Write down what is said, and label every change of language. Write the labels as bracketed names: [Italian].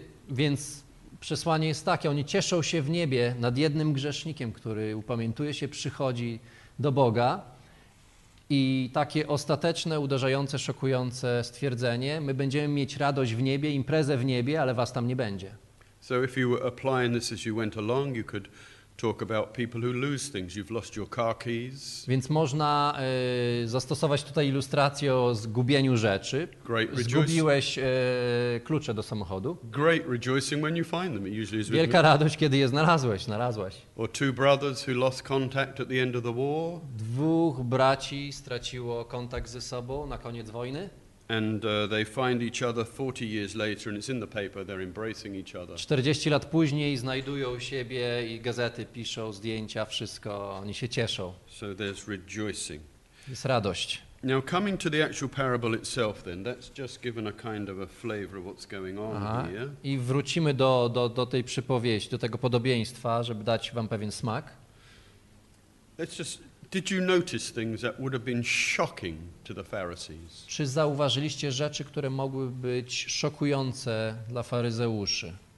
[Polish] Więc przesłanie jest takie, oni cieszą się w niebie nad jednym grzesznikiem, który upamiętuje się, przychodzi do Boga i takie ostateczne, uderzające, szokujące stwierdzenie, my będziemy mieć radość w niebie, imprezę w niebie, ale was tam nie będzie. [English] So if you were applying this as you went along, you could talk about people who lose things. You've lost your car keys. [Polish] Więc można zastosować tutaj ilustrację o zgubieniu rzeczy. [English] Great [Polish] zgubiłeś klucze do samochodu. [English] Great rejoicing when you find them. It usually is. [Polish] Wielka radość, kiedy je znalazłeś. [English] Or two brothers who lost contact at the end of the war. [Polish] Dwóch braci straciło kontakt ze sobą na koniec wojny. [English] And they find each other 40 years later, and it's in the paper. They're embracing each other. [Polish] 40 lat później znajdują siebie i gazety piszą zdjęcia, wszystko, oni się cieszą. [English] So there's rejoicing. [Polish] Jest radość. [English] Now coming to the actual parable itself, then that's just given a kind of a flavor of what's going on. Aha. Here. [Polish] I wrócimy do tej przypowieści, do tego podobieństwa, żeby dać wam pewien smak. [English] Let's just. Did you notice things that would have been shocking to the Pharisees? [Polish] Czy zauważyliście rzeczy, które mogły być szokujące dla faryzeuszy?